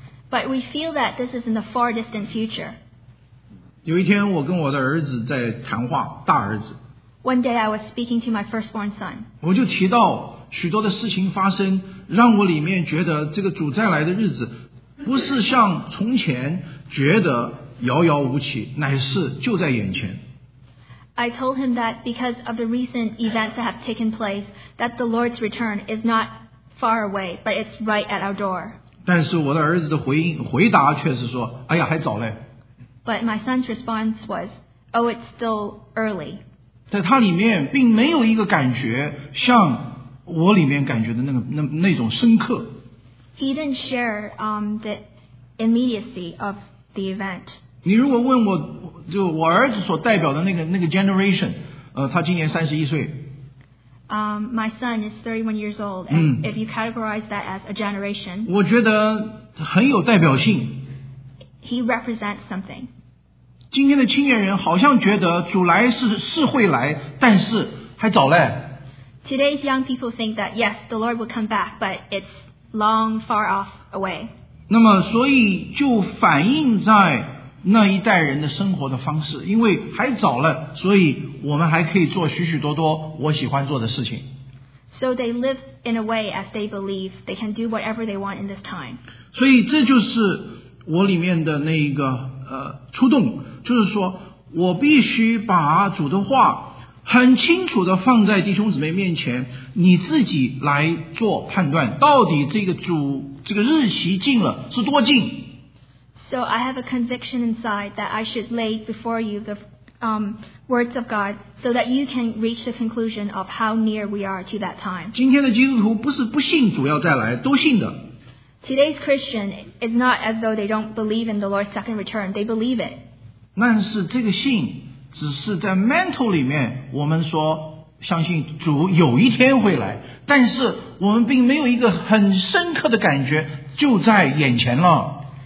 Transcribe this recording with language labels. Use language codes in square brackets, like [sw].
[en] But we feel that this is in the far distant future. [zh] 有一天我跟我的儿子在谈话，大儿子。 [en] One day I was speaking to my firstborn son. [zh] 我就提到许多的事情发生，让我里面觉得这个主再来的日子不是像从前觉得遥遥无期，乃是就在眼前。 [en] I told him that because of the recent events that have taken place, that the Lord's return is not far away, but it's right at our door. [zh] 但是我的儿子的回答却是说，哎呀，还早嘞。 [en] But my son's response was, oh, it's still early. [zh] 在他里面并没有一个感觉像我里面感觉的那种深刻。 [en] He didn't share the immediacy of the event. [zh] 你如果问我，就我儿子所代表的那个 generation, 他今年31岁。 [en] My son is 31 years old, and if you categorize that as a generation, [zh] 我觉得很有代表性。 [en] He represents something. [zh] 今天的青年人好像觉得主来是会来，但是还早嘞。 [en] Today's young people think that yes, the Lord will come back, but it's long, far off away. [zh] 那么，所以就反映在那一代人的生活的方式，因为还早了，所以我们还可以做许许多多我喜欢做的事情。 [en] So they live in a way as they believe they can do whatever they want in this time. [zh] 所以这就是我里面的那一个触动，就是说我必须把主的话很清楚的放在弟兄姊妹面前，你自己来做判断，到底这个日期近了是多近。 [en] So I have a conviction inside that I should lay before you the words of God so that you can reach the conclusion of how near we are to that time. [zh] 今天的基督徒不是不信主要再来，都信的。 [en] Today's Christian is not as though they don't believe in the Lord's second return. They believe it. [zh] 但是这个信只是在 mental 里面我们说相信主有一天会来，但是我们并没有一个很深刻的感觉就在眼前了。